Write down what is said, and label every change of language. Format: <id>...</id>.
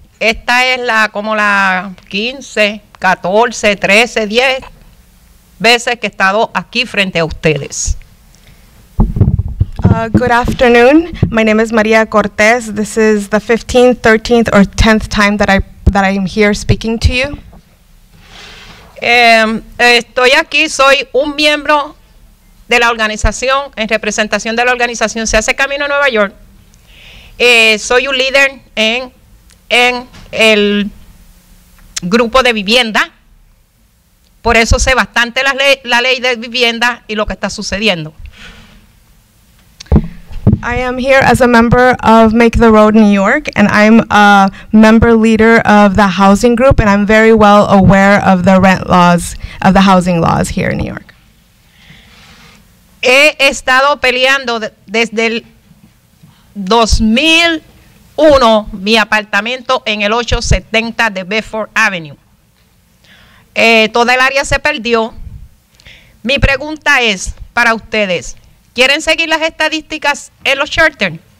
<es>Esta es la como la 15, 14, 13, 10 veces que he estado aquí frente a ustedes.</es> <en>Good afternoon. My name is María Cortés. This is the 15th, 13th or 10th time that I am here speaking to you.</en> <es>Estoy aquí, soy un miembro de la organización, en representación de la organización Se Hace Camino a Nueva York. Soy un líder en el grupo de vivienda. Por eso sé bastante la ley de vivienda y lo que está sucediendo.</es> <en>I am here as a member of Make the Road New York, and I'm a member leader of the housing group, and I'm very well aware of the rent laws, of the housing laws here in New York.</en> <es>He estado peleando desde el 2001 mi apartamento en el 870 de Bedford Avenue. Toda el área se perdió. Mi pregunta es para ustedes, ¿quieren seguir las estadísticas en los shelters?</es>